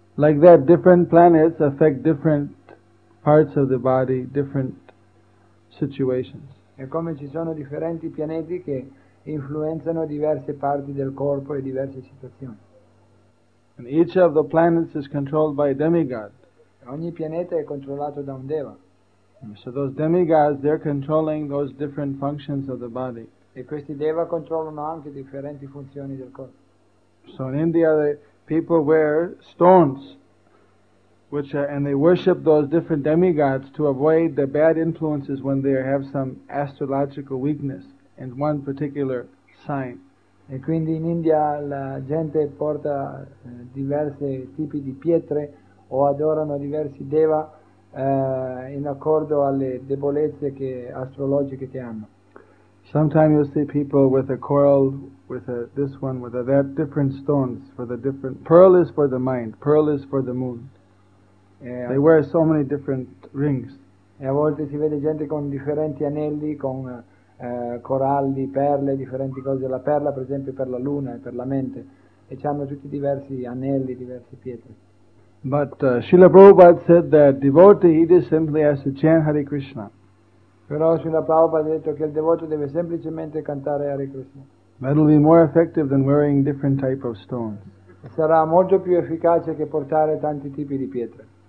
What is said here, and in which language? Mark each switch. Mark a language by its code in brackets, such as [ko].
[en] Like that, different planets affect different parts of the body, different situations. [it] E come ci sono differenti pianeti che influenzano diverse parti del corpo e diverse situazioni. [en] And each of the planets is controlled by a demigod. [it] Ogni pianeta è controllato da un deva. [en] So those demigods, they're controlling those different functions of the body. [it] E questi deva controllano anche differenti funzioni del corpo. [en] So in India, the people wear stones, and they worship those different demigods to avoid the bad influences when they have some astrological weakness in one particular sign. [it] E quindi in India la gente porta diversi tipi di pietre o adorano diversi deva in accordo alle debolezze che, astrologiche che hanno. [en] Sometimes you'll see people with a coral, with a, this one, with a, that, different stones for the different... Pearl is for the mind, pearl is for the moon. Yeah. They wear so many different rings. [it] E a volte si vede gente con differenti anelli, con... coralli, perle, differenti cose. La perla, per esempio, per la luna e per la mente. E c'hanno tutti diversi anelli, diverse pietre. [en] But Srila Prabhupada said that devotee, he just simply has to chant Hare Krishna. [it] Però Srila Prabhupada ha detto che il devoto deve semplicemente cantare Hare Krishna. [en] That will be more effective than wearing different type of stones. [it] Sarà molto più efficace che portare tanti tipi di pietre.